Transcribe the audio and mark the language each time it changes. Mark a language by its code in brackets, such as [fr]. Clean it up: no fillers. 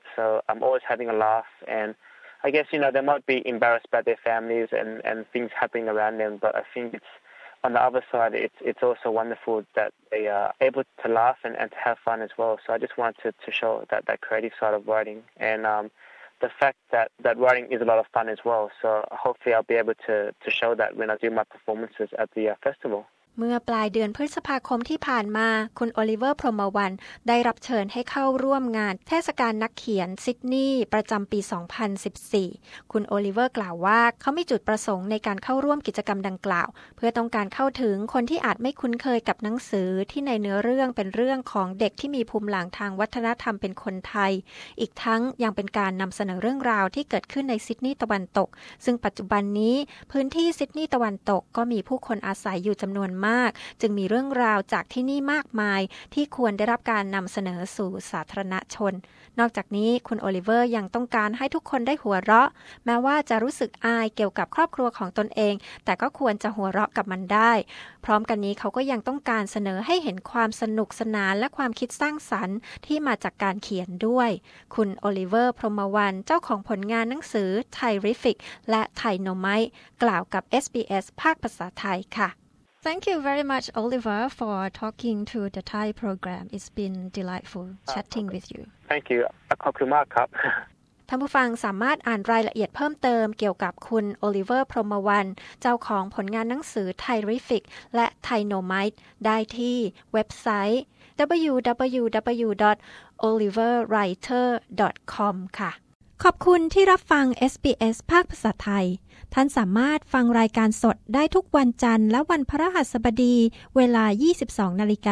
[en] So I'm always having a laugh, and I guess, you know, they might be embarrassed by their families and things happening around them, but I think it's on the other side, it's also wonderful that they are able to laugh and to have fun as well. So I just wanted to show that creative side of writing and the fact that writing is a lot of fun as well. So hopefully I'll be able to show that when I do my performances at the festival. [th] เมื่อปลายเดือนพฤษภาคมที่ผ่านมาคุณโอลิเวอร์พรหมวรรณได้รับเชิญให้เข้าร่วมงานเทศกาลนักเขียนซิดนีย์ประจำปี2014คุณโอลิเวอร์กล่าวว่าเขามีจุดประสงค์ในการเข้าร่วมกิจกรรมดังกล่าวเพื่อต้องการเข้าถึงคนที่อาจไม่คุ้นเคยกับหนังสือที่ในเนื้อเรื่องเป็นเรื่องของเด็กที่มีภูมิหลังทางวัฒนธรรมเป็นคนไทย อีกทั้งยังเป็นการนำเสนอเรื่องราวที่เกิดขึ้นในซิดนีย์ตะวันตกซึ่งปัจจุบันนี้พื้นที่ซิดนีย์ตะวันตกก็มีผู้คนอาศัยอยู่จำนวนมากจึงมีเรื่องราวจากที่นี่มากมายที่ควรได้รับการนำเสนอสู่สาธารณชนนอกจากนี้คุณโอลิเวอร์ยังต้องการให้ทุกคนได้หัวเราะแม้ว่าจะรู้สึกอายเกี่ยวกับครอบครัวของตนเองแต่ก็ควรจะหัวเราะกับมันได้ พร้อมกันนี้เขาก็ยังต้องการเสนอให้เห็นความสนุกสนานและความคิดสร้างสรรค์ที่มาจากการเขียนด้วยคุณโอลิเวอร์พรหมวรรณเจ้าของผลงานหนังสือ Thairific และ Thainomite กล่าวกับ SBS ภาคภาษาไทยค่ะ [en] Thank you very much, Oliver, for talking to the Thai program. It's been delightful chatting with you. Thank you. [th] ขอบคุณมากครับ ท่านผู้ฟังสามารถอ่านรายละเอียดเพิ่มเติมเกี่ยวกับคุณโอลิเวอร์พรหมวรรณเจ้าของผลงานหนังสือ Thairific และ Thainomite ได้ที่เว็บไซต์ www.oliverwriter.com ค่ะขอบคุณที่รับฟัง SBS ภาคภาษาไทยท่านสามารถฟังรายการสดได้ทุกวันจันทร์และวันพฤหัสบดีเวลา 22:00 น.